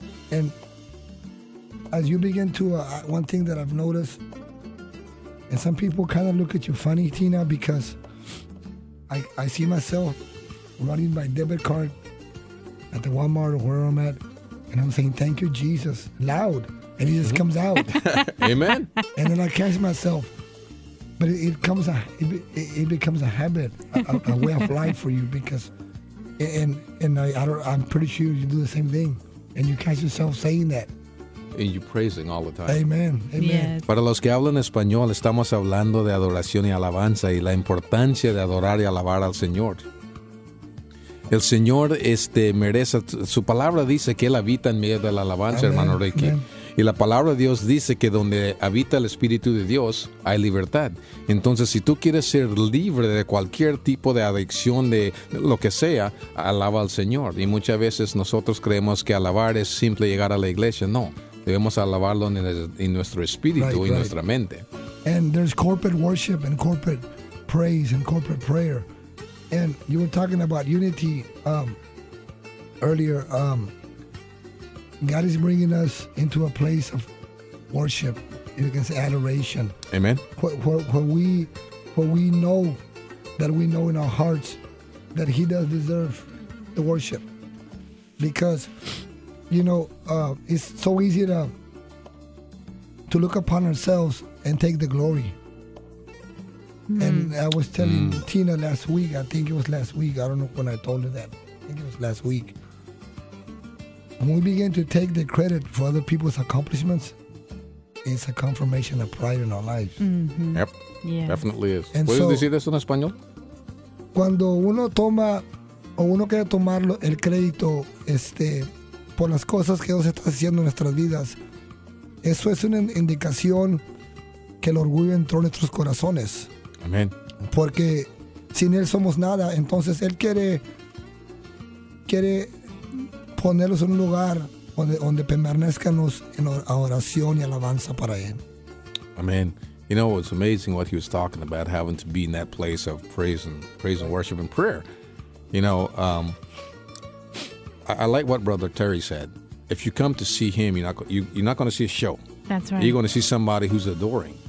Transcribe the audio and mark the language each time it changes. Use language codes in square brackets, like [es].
[en] And as you begin to, one thing that I've noticed, and some people kind of look at you funny, Tina, because I see myself running my debit card at the Walmart or where I'm at, and I'm saying, thank you, Jesus, loud. And he just comes out. Amen. And then I catch myself, But it becomes a habit, a way of life for you, because, I'm pretty sure you do the same thing, and you catch yourself saying that. And you're praising all the time. Amen. Amen. Yes. [es] Para los que hablan español, estamos hablando de adoración y alabanza y la importancia de adorar y alabar al Señor. El Señor merece, su palabra dice que Él habita en medio de la alabanza, [en] amen, [es] hermano Ricky. [en] Amen. [es] Y la palabra de Dios dice que donde habita el Espíritu de Dios, hay libertad. Entonces, si tú quieres ser libre de cualquier tipo de adicción, de lo que sea, alaba al Señor. Y muchas veces nosotros creemos que alabar es simple llegar a la iglesia. No, debemos alabarlo en nuestro espíritu, [en] right, [es] y [en] right, [es] nuestra mente. [en] And there's corporate worship and corporate praise and corporate prayer. And you were talking about unity earlier. God is bringing us into a place of worship, you can say adoration. Amen. Where we know that we know in our hearts that He does deserve the worship, because you know it's so easy to look upon ourselves and take the glory. Mm. And I was telling Tina last week. I think it was last week. I don't know when I told her that. I think it was last week. When we begin to take the credit for other people's accomplishments, it's a confirmation of pride in our lives. Mm-hmm. Yep. Yes. Definitely is. And [es] ¿puedes [en] so, [es] decir eso en español? Cuando uno toma o uno quiere tomar el crédito por las cosas que Dios está haciendo en nuestras vidas, eso es una indicación que el orgullo entró en nuestros corazones. Amén. Porque sin Él somos nada. Entonces Él quiere ponerlos en un lugar donde permanezcanos en oración y alabanza para Él. Amén. [en] You know, it's amazing what he was talking about, having to be in that place of praise and worship and prayer. You know, I like what Brother Terry said. If you come to see him, you're not going to see a show. That's right. You're going to see somebody who's adoring.